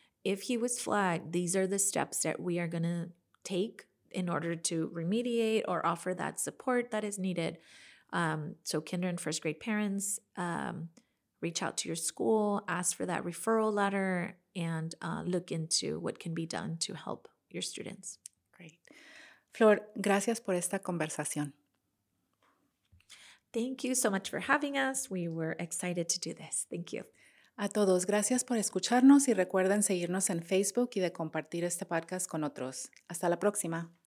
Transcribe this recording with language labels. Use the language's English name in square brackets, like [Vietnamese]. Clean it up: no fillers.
[English] If he was flagged, these are the steps that we are going to take in order to remediate or offer that support that is needed. So kinder and first grade parents, reach out to your school, ask for that referral letter, and look into what can be done to help your students. Great. [Spanish] Flor, gracias por esta conversación. [English] Thank you so much for having us. We were excited to do this. Thank you. [Spanish] A todos, gracias por escucharnos y recuerden seguirnos en Facebook y de compartir este podcast con otros. Hasta la próxima.